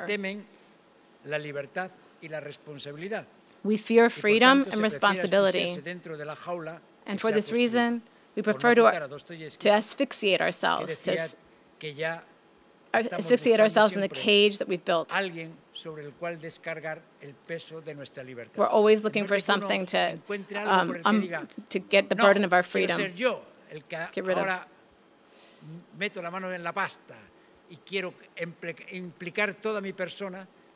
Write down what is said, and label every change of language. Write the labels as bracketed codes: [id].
[es] Se temen la libertad y la responsabilidad. [en] We fear freedom and responsibility. And for this reason, we prefer to asphyxiate ourselves, in the cage that we've built. [es] Sobre el cual descargar el peso de nuestra libertad. [en] We're always looking for something to get the burden of our freedom. [es] Quiero ser yo el que ahora meto la mano en la pasta y quiero implicar toda mi persona.